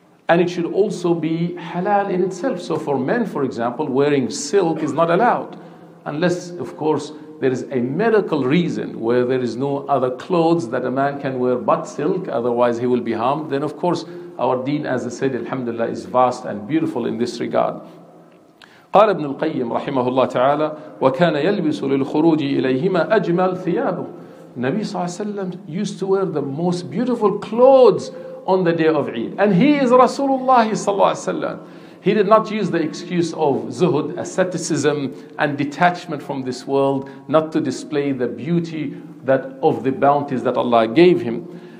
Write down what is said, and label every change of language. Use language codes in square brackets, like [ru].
[en] And it should also be halal in itself. So for men, for example, wearing silk is not allowed. Unless, of course, there is a medical reason where there is no other clothes that a man can wear but silk, otherwise he will be harmed. Then, of course, our deen, as I said, alhamdulillah, is vast and beautiful in this regard. [ar] قال ابن القيم رحمه الله تعالى وكان يلبس للخروج إليهما أجمل ثيابه. [en] Nabi صلى الله عليه وسلم used to wear the most beautiful clothes on the day of Eid. And he is Rasulullah صلى الله عليه وسلم. He did not use the excuse of zuhud, asceticism and detachment from this world, not to display the beauty that of the bounties that Allah gave him.